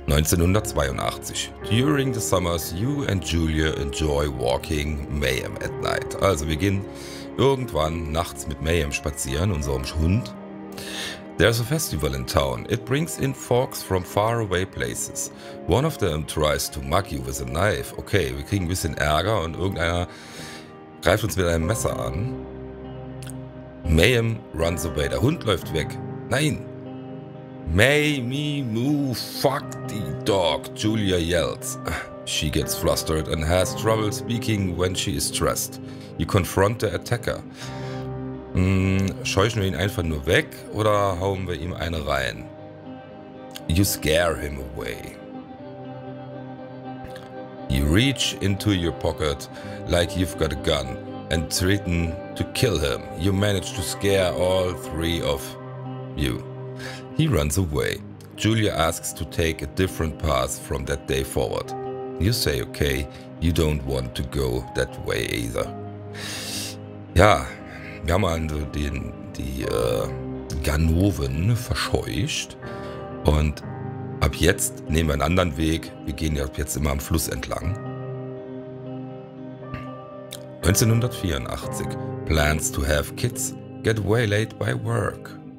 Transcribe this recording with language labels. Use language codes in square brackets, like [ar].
[en] During the summers, you and Julia enjoy walking Mayhem at night. [de] Also wir gehen irgendwann nachts mit Mayhem spazieren, unserem Hund. [en] There's a festival in town. It brings in folks from far away places. One of them tries to mug you with a knife. [de] Okay, wir kriegen ein bisschen Ärger und irgendeiner greift uns mit einem Messer an. [en] Mayhem runs away. [de] Der Hund läuft weg. Nein! [en] May me move, fuck the dog, Julia yells. She gets flustered and has trouble speaking when she is stressed. You confront the attacker. [de] Scheuchen wir ihn einfach nur weg oder hauen wir ihm eine rein? [en] You scare him away. You reach into your pocket like you've got a gun and threaten to kill him. You manage to scare all three of you. He runs away. Julia asks to take a different path from that day forward. You say okay, you don't want to go that way either. [de] Ja, wir haben Ganoven verscheucht und ab jetzt nehmen wir einen anderen Weg. Wir gehen ja ab jetzt immer am Fluss entlang. [en] 1984. Plans to have kids get waylaid by work.